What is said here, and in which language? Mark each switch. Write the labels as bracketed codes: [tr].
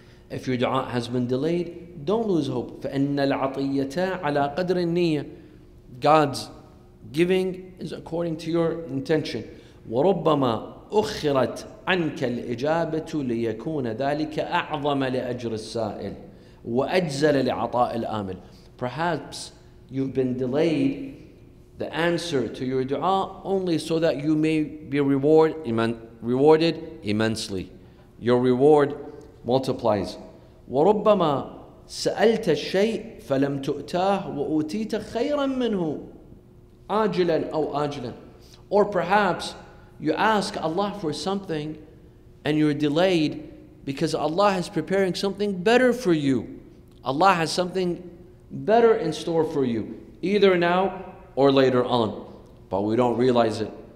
[en] If your dua has been delayed, don't lose hope. [ar] فإن العطية على قدر النية. [en] God's giving is according to your intention. [ar] وربما أخرت عنك الإجابة ليكون ذلك أعظم لأجر السائل وأجزل لعطاء الآمل. [en] Perhaps you've been delayed the answer to your dua only so that you may be rewarded immensely. Your reward multiplies. [ar] وربما سألت الشيء فلم تؤتاه وأوتيت خيرا منه عاجلا أو آجلا. [en] Or perhaps you ask Allah for something and you're delayed because Allah is preparing something better for you. Allah has something better in store for you, either now or later on, but we don't realize it.